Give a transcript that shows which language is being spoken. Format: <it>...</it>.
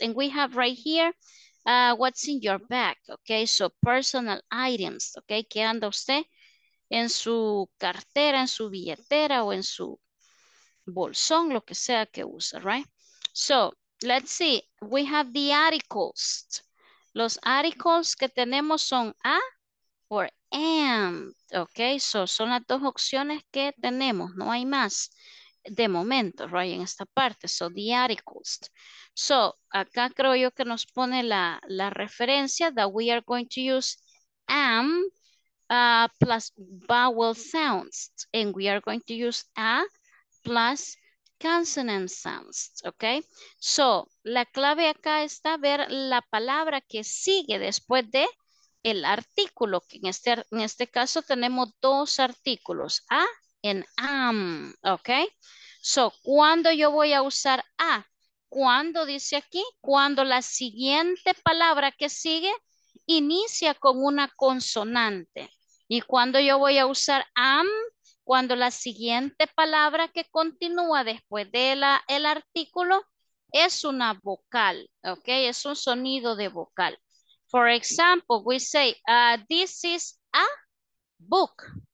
<en>And we have right here, what's in your bag, okay? So personal items, okay?</en> <es>¿Qué anda usted en su cartera, en su billetera o en su bolsón, lo que sea que use, right?</es> <en>So let's see, we have the articles.</en> <es>Los articles que tenemos son a or and, okay? So son las dos opciones que tenemos, no hay más. de momento, right, en esta parte.</es> <en>So, the articles.</en> <es>So, acá creo yo que nos pone la referencia</es> <en>that we are going to use am plus vowel sounds. And we are going to use a plus consonant sounds. Okay?</en> <es>So, la clave acá está ver la palabra que sigue después de el artículo, que en este caso tenemos dos artículos, a en am, ¿ok? So, ¿cuándo yo voy a usar a? ¿Cuándo dice aquí? Cuando la siguiente palabra que sigue inicia con una consonante. ¿Y cuándo yo voy a usar am? Cuando la siguiente palabra que continúa después de el artículo es una vocal, ¿ok? Es un sonido de vocal.</es> <en>For example, we say, this is a book.</en>